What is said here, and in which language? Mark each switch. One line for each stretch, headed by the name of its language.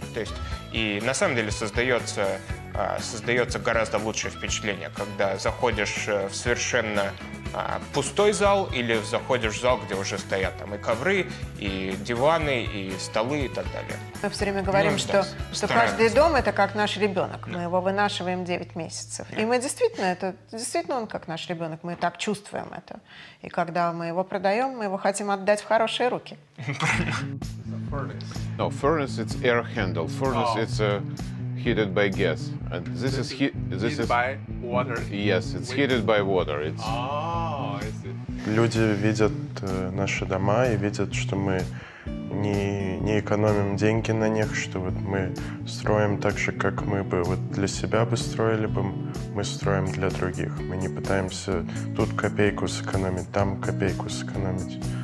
Russian: То есть, и на самом деле создается гораздо лучшее впечатление, когда заходишь в совершенно пустой зал или заходишь в зал, где уже стоят там и ковры, и диваны, и столы, и так далее. Мы все время говорим, что каждый дом – это как наш ребенок. Да. Мы его вынашиваем 9 месяцев. Да. И мы действительно он как наш ребенок. Мы так чувствуем это. И когда мы его продаем, мы его хотим отдать в хорошие руки.
English: No, furnace – it's air handle. Furnace – it's a... heated by gas, and this is by water. Yes, it's heated by water.
Russian: Люди видят наши дома и видят, что мы не экономим деньги на них, что вот мы строим так же, как мы бы вот для себя бы строили бы, мы строим для других. Мы не пытаемся тут копейку сэкономить, там копейку сэкономить.